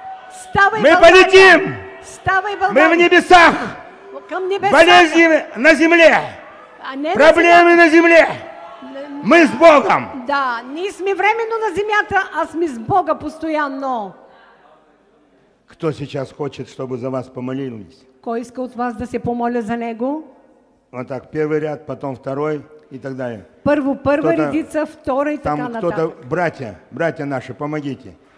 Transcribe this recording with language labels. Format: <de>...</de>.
<ru>Вставай, мы Болгария! Полетим! Вставай, Болгария! Мы в небесах! Небесах. Болезни на земле! Проблемы на земле! Мы с Богом!</ru> <bg>Да, не сме временно на земята, а сме с Бога постоянно!</bg> <ru>Кто сейчас хочет, чтобы за вас помолились?</ru> <bg>Кой иска от вас да се помоля за него?</bg> <ru>Вот так, первый ряд, потом второй. И так далее.</ru> <bg>Первая редица, вторая и так далее.</bg> <ru>Там кто-то, братья наши, помогите.</ru>